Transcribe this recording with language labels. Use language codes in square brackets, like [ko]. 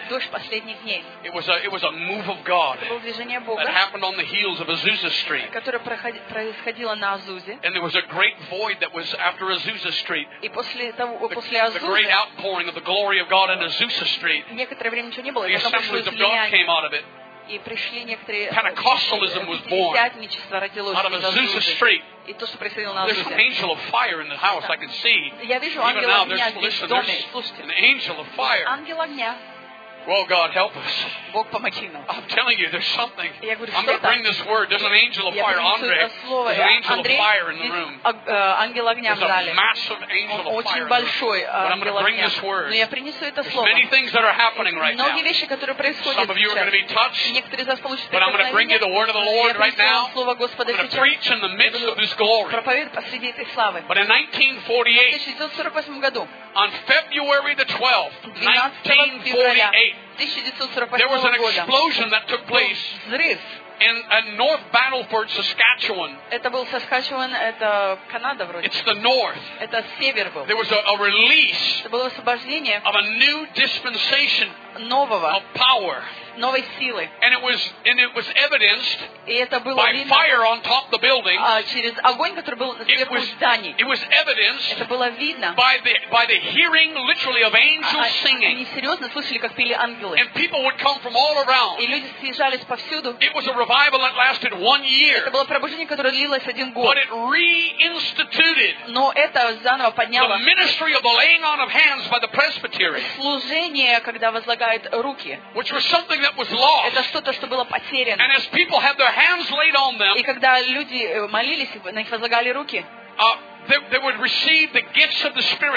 [en] It was a move of God that happened on the heels of Azusa Street. And there was a great void that was after Azusa Street. The great outpouring of the glory of God in Azusa Street. The Assemblies of God came out of it. [ru] И пришли некоторые. [en] Pentecostalism was born. [ru] Пятидесятничество родилось. [en] Out of Azusa Street. [ru] И то, что происходило на Азусе. [en] There's an angel of fire in the house. I can see. [ru] Я вижу ангела огня здесь в доме. [en] An angel of fire. [ru] Ангел огня. [en] Well, God, help us. [ru] Бог, помоги нам. [en] I'm telling you, there's something. [ru] Я говорю, [en] I'm going to bring this word. There's an angel of fire, Andre. There's an angel [ru] Андрей, [en] of fire in the room. [ru] Ангел огня [en] there's [ru] в зале. [en] A massive angel [ru] Он [en] of [ru] очень [en] fire [ru] большой ангел [en] bring [ru] огня. [en] This word. [ru] Но я принесу это [en] there's [ru] слово. [en] Many things that are happening right [ru] многие Вещи, которые происходят [en] some of you [ru] сейчас. [en] Are going to be touched. [ru] Некоторые [en] but I'm going to bring you the word of the Lord right now. [ru] Слово Господа [en] I'm going to preach in the midst of this glory. [ru] Посреди этой славы. [en] But in 1948 [ru] году, [en] on February the 12th, 1948, there was an explosion that took place in a North Battleford, Saskatchewan. [ru] Это был Saskatchewan, это Канада вроде. [en] It's the north. [ru] Это север был. [en] There was a release of a new dispensation [ru] нового, [en] of power. [ru] Новой силы. [en] And it was evidenced by [ru] видно, [en] fire on top of the building. [ru] Через огонь, который был сверху зданий. [en] It was evidenced by the hearing literally of angels singing. [ru] Они серьезно слышали, как пели ангелы. [en] And people would come from all around. [ru] И люди съезжались повсюду. [en] It was a revival that lasted 1 year. [ru] Это было пробуждение, которое длилось один год. [en] But it reinstituted. [ru] Но это заново подняло. [en] The ministry of the laying on of hands by the presbytery. [ru] Служение, когда возлагают руки. [en] Which was something that was lost. [ru] Это что-то, что было потеряно. [en] And as people had their hands laid on them, [ru] и когда люди молились, на них возлагали руки, [en] they would receive the gifts of the Spirit.